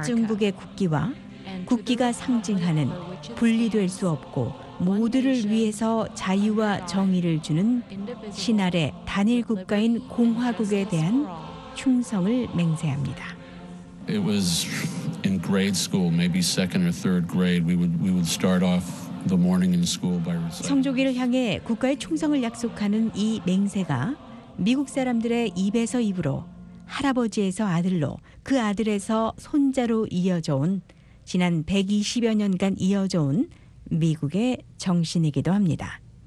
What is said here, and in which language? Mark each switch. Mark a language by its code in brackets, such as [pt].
[ko] 미국 정부의 국기와 국기가 상징하는 분리될 수 없고 모두를 위해서 자유와 정의를 주는 신아래 단일 국가인 공화국에 대한 충성을 맹세합니다. [en] It was in grade school, maybe second or third grade. We would start off the morning in school by reciting. [ko] 성조기를 향해 국가의 충성을 약속하는 이 맹세가 미국 사람들의 입에서 입으로 할아버지에서 아들로 그 아들에서 손자로 이어져 온 지난 120여 년간 이어져 온 미국의 정신이기도 합니다.